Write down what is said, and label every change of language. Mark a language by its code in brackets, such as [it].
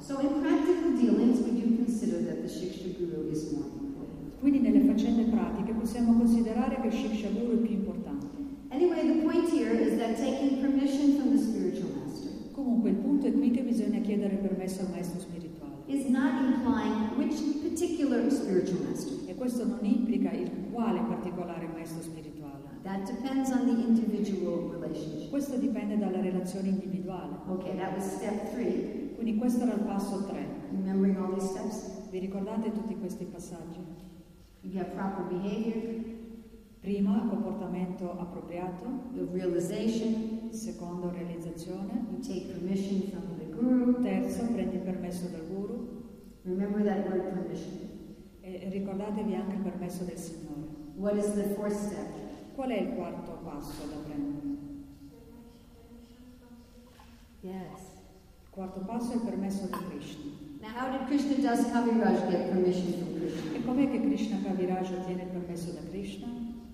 [en] So in practical dealings we do consider that the shiksha guru is more important. [it] Quindi nelle faccende pratiche possiamo considerare che shiksha guru è più importante. [en] Anyway, the point here is that taking permission from the spiritual master. [it] Comunque il punto è qui che bisogna chiedere permesso al maestro spirituale. [en] Is not implying which particular spiritual master. [it] E questo non implica il quale particolare maestro spirituale. [en] That depends on the individual relationship. [it] Questo dipende dalla relazione individuale. [en] Okay, that was step three. [it] Quindi questo era il passo tre. [en] Remembering all these steps? [it] Vi ricordate tutti questi passaggi? [en] You have proper behavior. [it] Prima, comportamento appropriato. [en] The realization. [it] Secondo, realizzazione. [en] You take permission from the guru. [it] Terzo, prendi permesso dal guru. [en] Remember that word permission. [it] E ricordatevi anche il permesso del Signore. [en] What is the fourth step? [it] Qual è il quarto passo da prendere? [en] Yes. [it] Il quarto passo è il permesso di Krishna. [en] Now how did Krishna Das Kaviraj get permission from Krishna? [it] E com'è che Krishna Kaviraj ottiene il permesso da Krishna?